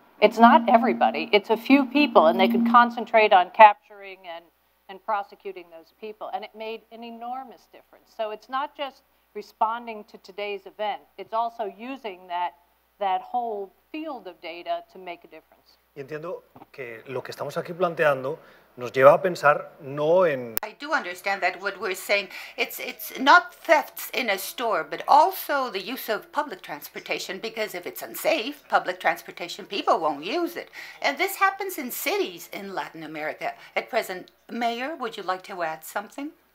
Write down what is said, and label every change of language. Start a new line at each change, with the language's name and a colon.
English: It's not everybody, it's a few people, and they could concentrate on capturing and prosecuting those people, and it made an enormous difference. So it's not just responding to today's event, it's also using that whole field of data to make a difference.
Spanish: Y entiendo que lo que estamos aquí planteando nos lleva a pensar no en...
English: I do understand that what we're saying, it's not thefts in a store, but also the use of public transportation, because if it's unsafe, public transportation, people won't use it. And this happens in cities in Latin America. At present, Mayor, would you like to add something?